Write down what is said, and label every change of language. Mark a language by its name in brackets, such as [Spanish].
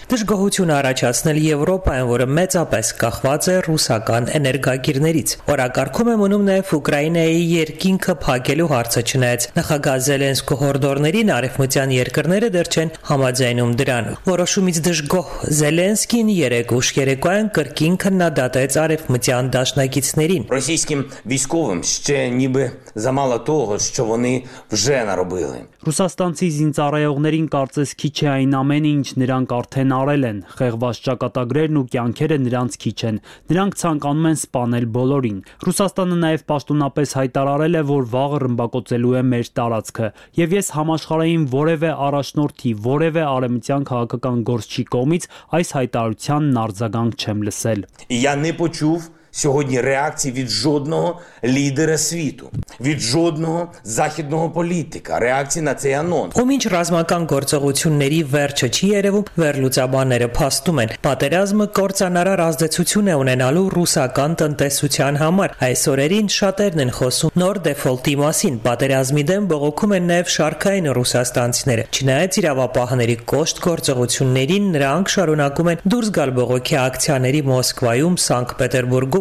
[Armenian] դժգոհություն առաջացնել Եվրոպայում, որը մեծապես կախված է ռուսական էներգակիրներից։ Օրակարգում է մնում նաեւ Ուկրաինայի երկինքը փակելու հարցը, չնայած նախագահ Զելենսկու հորդորներին արևմտյան երկրները դեռ չեն համաձայնում դրան։ Որոշումից դժգոհ Զելենսկին երեկոյան կրկին քննադատեց արևմտյան դաշնակիցներին։ Ռուսիսկիմ վիսկովում [Ukrainian] ще ніби замало того, що вони вже наробили. [Armenian] Ռուսաստանցի զինծառայողներին կարծես քիչ է այն ամենը, ինչ նրանք արդեն արել են։ Խեղված ճակատագրերն ու կյանքերը նրանց քիչ են։ Նրանք ցանկանում են սպանել բոլորին։ Ռուսաստանը նաև պաշտոնապես հայտարարել է, որ վաղը ռմբակոծելու է մեր տարածքը, եւ ես համաշխարհային որևէ առաջնորդի, որևէ արևմտյան քաղաքական գործչի կողմից այս հայտարարությանն արձագանք չեմ լսել։ [Ukrainian] Я не почув сьогодні реакції від жодного лідера світу, від жодного західного політика, реакції на цей анонс. [Armenian] Ու մինչ ռազմական գործողությունների վերջը չի երևում, վերլուծաբանները փաստում են, պատերազմը կործանարար ազդեցություն է ունենալու ռուսական տնտեսության համար։ Այս օրերին շատերն են խոսում նոր դեֆոլտի մասին, պատերազմի դեմ բողոքում են նաև շարքային ռուսաստանցիները։ Չնայած իրավապահների կոշտ գործողություններին, նրանք շարունակում են դուրս գալ բողոքի ակցիաների Մոսկվայում, Սանկտ Պետերբուրգում